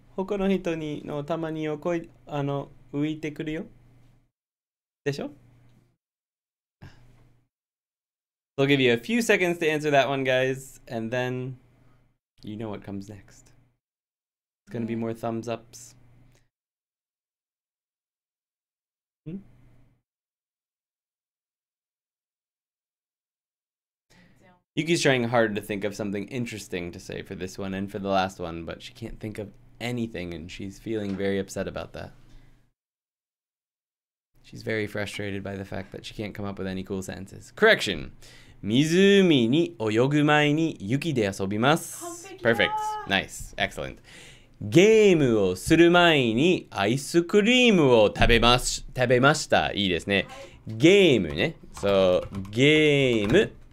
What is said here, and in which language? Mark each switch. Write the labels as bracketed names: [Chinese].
[Japanese] 他の人にのたまにをこい、あの、浮いてくるよ。でしょ？ [English] I'll give you a few seconds to answer that one, guys, and then you know what comes next. It's gonna be more thumbs ups. Yuki's trying hard to think of something interesting to say for this one and for the last one, but she can't think of anything and she's feeling very upset about that. She's very frustrated by the fact that she can't come up with any cool sentences. Correction! [Japanese] 湖に泳ぐ前に雪で遊びます。 [English] Perfect. Nice. Excellent. [Japanese] ゲームをする前にアイスクリームを食べました。いいですね。ゲームね。So, ゲーム。